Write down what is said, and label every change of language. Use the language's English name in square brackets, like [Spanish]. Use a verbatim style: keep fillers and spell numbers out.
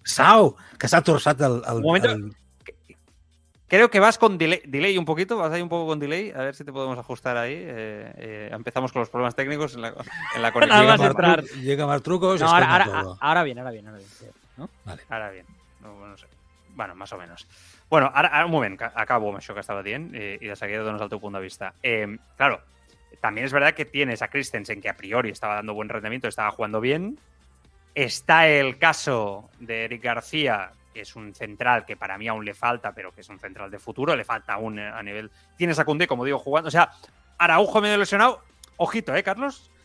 [Catalan] Sau, que s'ha torçat el... el, un el... [Spanish] Creo que vas con delay, delay un poquito, vas ahí un poco con delay, a ver si te podemos ajustar ahí. Eh, eh, empezamos con los problemas técnicos en la, en la conexión. Llega, Martru- Mar- llega Martrucos. No, ahora, ahora, ahora bien, ahora bien, ahora bien. ¿No? Vale. Ahora bien. No, no sé. Bueno, más o menos. [Catalan] Bueno, ara, ara, un moment, que acabo amb això que estava dient eh, i de seguida dones el teu punt de vista. [Spanish] Eh, claro, también es verdad que tienes a Christensen, que a priori estaba dando buen rendimiento, estaba jugando bien. Está el caso de Eric García, que es un central que para mí aún le falta, pero que es un central de futuro, le falta aún a nivel... Tienes a Koundé, como digo, jugando... O sea, Araujo medio lesionado, ojito, ¿eh, Carlos?